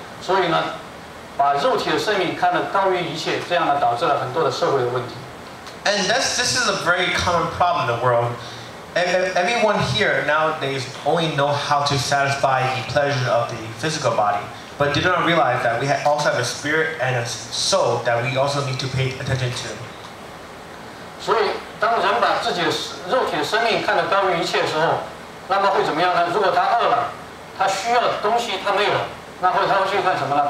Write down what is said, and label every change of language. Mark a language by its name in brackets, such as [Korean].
[Chinese] 所以呢，把肉体的生命看得高于一切，这样呢，导致了很多的社会的问题。 [English] And this is a very common problem in the world. And everyone here nowadays only know how to satisfy the pleasure of the physical body, but do not realize that we also have a spirit and a soul that we also need to pay attention to. [Chinese] 所以当人把自己肉体的生命看得高于一切的时候，那么会怎么样呢？如果他饿了，他需要东西他没有，那会他会去干什么呢？